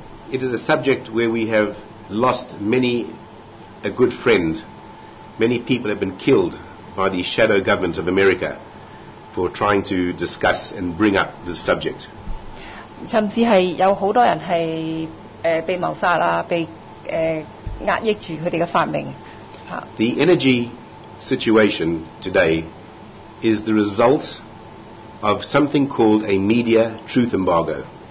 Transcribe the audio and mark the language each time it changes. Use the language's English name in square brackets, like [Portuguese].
[English] It is a subject where we have lost many people have been killed by the shadow government of America for trying to discuss and bring up this subject. [Chinese] 甚至是有很多人是被謀殺、被壓抑著他們的發明。 [English] The energy situation today is the result of something called a media truth embargo.